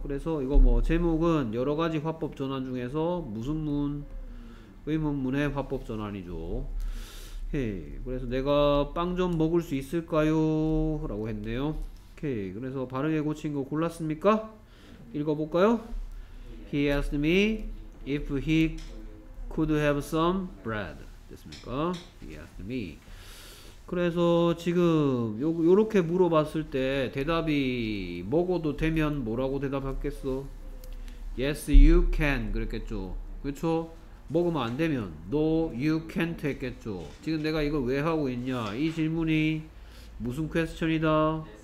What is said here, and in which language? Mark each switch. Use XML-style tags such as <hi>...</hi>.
<ko>그래서 이거 뭐 제목은 여러 가지 화법 전환 중에서 무슨 문? 의문문의 화법 전환이죠. 오케이. 그래서 내가 빵 좀 먹을 수 있을까요? 라고 했네요. 오케이. 그래서 바르게 고친 거 골랐습니까? 읽어볼까요?</ko> <en>He asked me if he could have some bread.</en> <ko>됐습니까?</ko> <en>He asked me.</en> <ko>그래서 지금 요렇게 물어봤을 때 대답이 먹어도 되면 뭐라고 대답하겠어?</ko> <en>Yes, you can.</en> <ko>그랬겠죠. 그렇죠? 먹으면 안 되면</ko> <en>No, you can't</en> <ko>했겠죠. 지금 내가 이걸 왜 하고 있냐? 이 질문이 무슨 퀘스천이다?</ko>